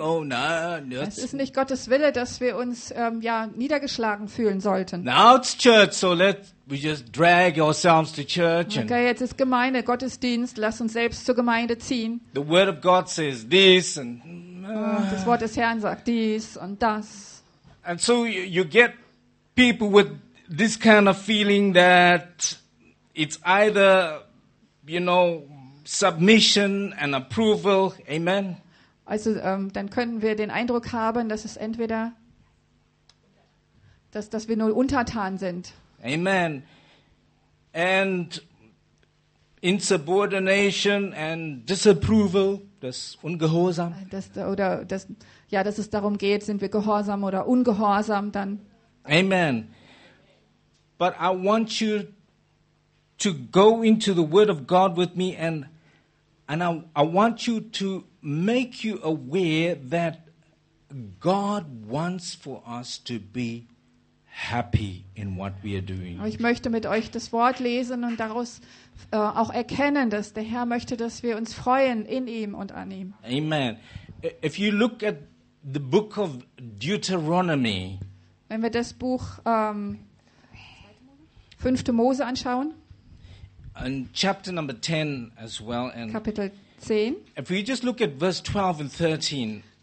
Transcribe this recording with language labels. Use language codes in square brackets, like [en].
[en] Oh no, [de] es ist nicht Gottes Wille, dass wir uns niedergeschlagen fühlen sollten. [en] Now it's church, so we just drag ourselves to church. [de] Okay, and jetzt ist Gemeinde, Gottesdienst, lass uns selbst zur Gemeinde ziehen. [en] The word of God says this and [de] das Wort des Herrn sagt dies und das. [en] And so you get people with this kind of feeling that it's either, you know, submission and approval, amen. [de] Also dann können wir den Eindruck haben, dass es entweder, dass wir nur untertan sind. [en] Amen. And insubordination and disapproval, [de] das Ungehorsam. Dass es darum geht, sind wir gehorsam oder ungehorsam dann. [en] Amen. But I want you to go into the word of God with me and I want you to make you aware that God wants for us to be happy in what we are doing. [de] Ich möchte mit euch das Wort lesen und daraus auch erkennen, dass der Herr möchte, dass wir uns freuen in ihm und an ihm. [en] Amen. If you look at the book of Deuteronomy, [de] wenn wir das Buch 5. Mose anschauen, [en] and chapter number 10 as well, and [de] Kapitel 10. [en] If we just look at verse 12 and 13.